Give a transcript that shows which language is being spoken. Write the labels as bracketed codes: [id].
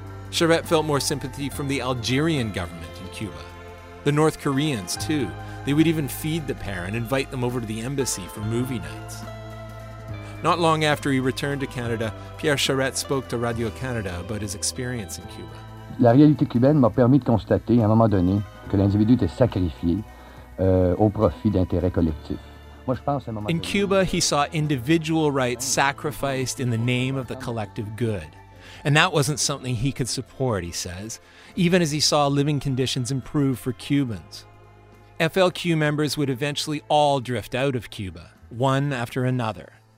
[en] Charette felt more sympathy from the Algerian government in Cuba. The North Koreans, too. They would even feed the pair and invite them over to the embassy for movie nights. Not long after he returned to Canada, Pierre Charette spoke to Radio-Canada about his experience in Cuba. [fr] La réalité cubaine m'a permis de constater, à un moment donné, que l'individu était sacrifié au profit d'intérêts collectifs. [en] In Cuba, he saw individual rights sacrificed in the name of the collective good. And that wasn't something he could support, he says, even as he saw living conditions improve for Cubans. FLQ members would eventually all drift out of Cuba, one after another.